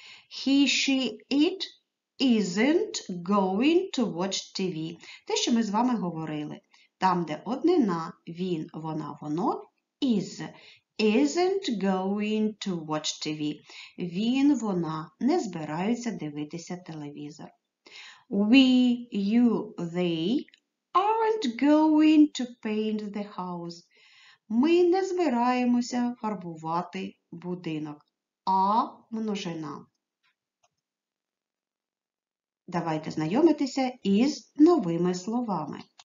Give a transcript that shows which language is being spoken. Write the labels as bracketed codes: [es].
[en] He, she, it isn't going to watch TV. [uk] Те, що ми з вами говорили. Там, де однина, він, вона, воно, is. [en] Isn't going to watch TV. [uk] Він, вона не збираються дивитися телевізор. [en] We, you, they aren't going to paint the house. [uk] Ми не збираємося фарбувати будинок. А множина. Давайте знайомитися із новими словами.